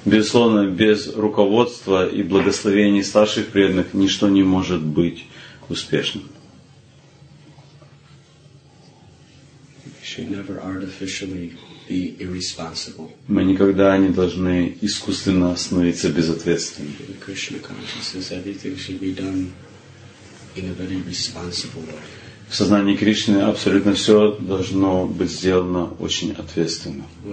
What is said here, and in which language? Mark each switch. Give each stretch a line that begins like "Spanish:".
Russian: Безусловно, без руководства и благословений старших преданных ничто не может быть успешным.
English: We should never artificially be irresponsible.
Russian: Мы никогда не должны искусственно становиться безответственными.
English: The Krishna consciousness, everything should be done in a very responsible way.
Russian: В сознании Кришны абсолютно все должно быть сделано очень ответственно.